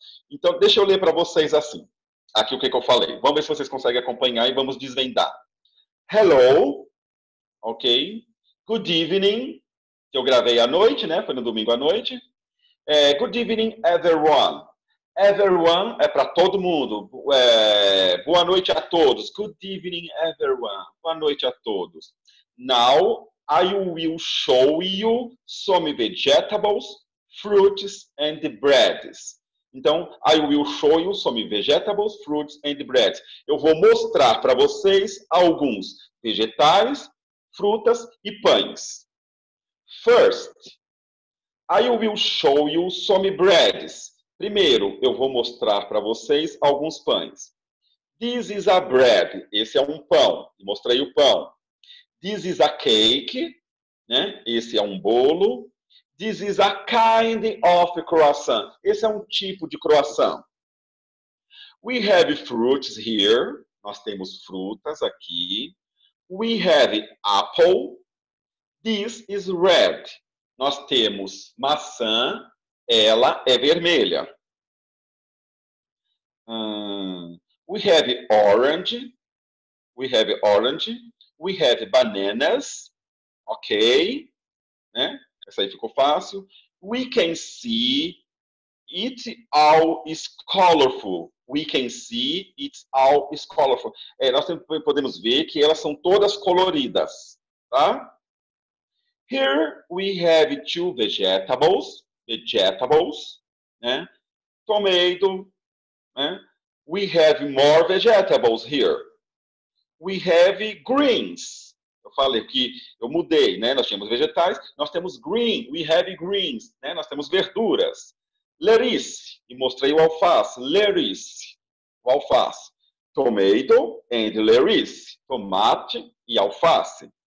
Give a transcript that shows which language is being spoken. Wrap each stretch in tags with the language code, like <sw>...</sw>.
<pt>Então, deixa eu ler para vocês assim. Aqui o que eu falei. Vamos ver se vocês conseguem acompanhar e vamos desvendar.</pt> <en>Hello, ok. Good evening,</en> <pt>que eu gravei à noite, né? Foi no domingo à noite.</pt> <en>Good evening, everyone.</en> <pt>Everyone é para todo mundo. Boa noite a todos.</pt> <en>Good evening, everyone.</en> <pt>Boa noite a todos.</pt> <en>Now, I will show you some vegetables, fruits and breads. Então, I will show you some vegetables, fruits and breads.</en> <pt>Eu vou mostrar para vocês alguns vegetais, frutas e pães.</pt> <en>First, I will show you some breads.</en> <pt>Primeiro, eu vou mostrar para vocês alguns pães.</pt> <en>This is a bread.</en> <pt>Esse é um pão. Mostrei o pão.</pt> <en>This is a cake.</en> <pt>Né? Esse é um bolo.</pt> <en>This is a kind of croissant.</en> <pt>Esse é um tipo de croissant.</pt> <en>We have fruits here.</en> <pt>Nós temos frutas aqui.</pt> <en>We have apple. This is red.</en> <pt>Nós temos maçã. Ela é vermelha.</pt> <en>We have orange. We have orange. We have bananas. Ok.</en> <pt>Né? Essa aí ficou fácil.</pt> <en>We can see it all is colorful. We can see it all is colorful.</en> <pt>Nós podemos ver que elas são todas coloridas. Tá?</pt> <en>Here we have two vegetables. Vegetables, né? Tomato,</en> <pt>né?</pt> <en>We have more vegetables here. We have greens.</en> <pt>Eu falei que eu mudei, né? Nós tínhamos vegetais, nós temos green.</pt> <en>We have greens,</en> <pt>né? Nós temos verduras. Larice, e mostrei o alface. Larice, o alface.</pt> <en>Tomato and larice,</en> <pt>tomate e alface.</pt>